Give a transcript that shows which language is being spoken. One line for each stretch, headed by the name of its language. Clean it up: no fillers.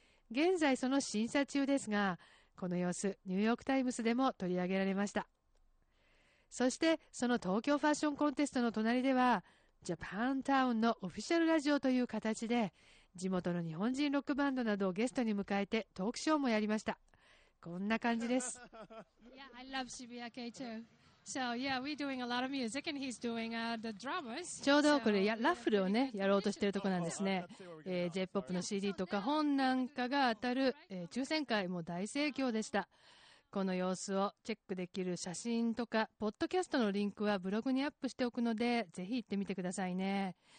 Japanese: 現在その審査中ですが、この様子ニューヨークタイムズでも取り上げられました。そしてその東京ファッションコンテストの隣ではジャパンタウンのオフィシャルラジオという形で地元の日本人ロックバンドなどをゲストに迎えてトークショーもやりました。こんな感じです。
English: Yeah, I love 渋谷系 too. So yeah, we're doing a lot of music and he's doing the drummers.
Japanese: ちょうどこれラッフルをねやろうとしているところなんですね。J-POP の CD とか本なんかが当たる、抽選会も大盛況でした。この様子をチェックできる写真とかポッドキャストのリンクはブログにアップしておくので、ぜひ行ってみてくださいね。